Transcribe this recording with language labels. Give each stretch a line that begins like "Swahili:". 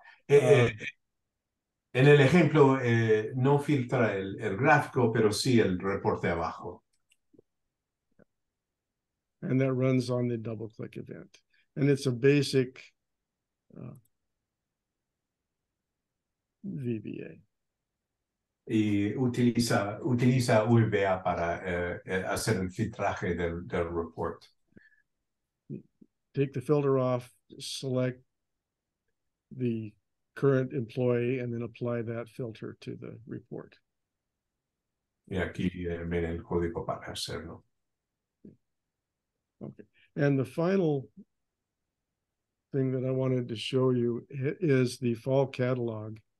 Spanish: En el ejemplo, no filtra el gráfico, pero sí el reporte abajo.
English: and that runs on the double click event. And it's a basic VBA.
Spanish: Y utiliza VBA para hacer el filtraje del report.
English: Take the filter off, select the current employee, and then apply that filter to the report.
Spanish: Y aquí ven el código para hacerlo.
English: Okay. And the final thing that I wanted to show you is the fall catalog.